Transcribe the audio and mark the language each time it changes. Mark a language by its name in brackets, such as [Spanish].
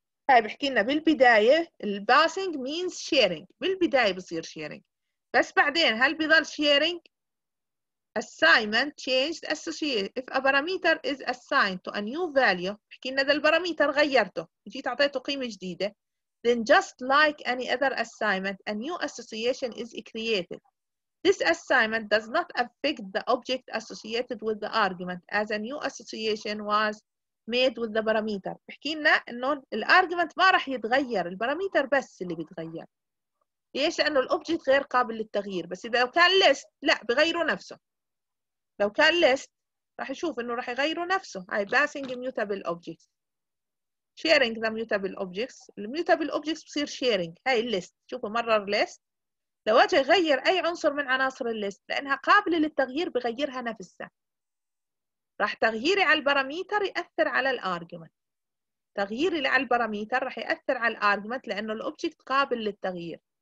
[Arabic] هاي بحكي لنا بالبداية الباسنج مينز شيرينج، بالبداية بصير شيرينج، بس بعدين هل بيضل شيرينج؟ [English] assignment changed associated if a parameter is assigned to a new value، [Arabic] بحكي لنا ده الباراميتر غيرته جيت أعطيته قيمة جديدة، [English] then just like any other assignment a new association is created. This assignment does not affect the object associated with the argument as a new association was made with the parameter. [Arabic] بحكي لنا انه الارجمنت ما راح يتغير، الباراميتر بس اللي بيتغير. ليش؟ لانه الاوبجكت غير قابل للتغيير. بس اذا كان ليست لا بغيره نفسه، لو كان ليست راح يشوف انه راح يغيره نفسه. [English] هاي passing immutable objects sharing the mutable objects، [Arabic] الميوتابل اوبجكتس بصير شيرينج. هاي الليست شوفوا مرر ليست، لو اجي اغير اي عنصر من عناصر الليست لانها قابله للتغيير بغيرها نفسها. راح تغييري على الباراميتر ياثر على الارجمنت، تغييري على الباراميتر راح ياثر على الارجمنت لانه الاوبجكت قابل للتغيير.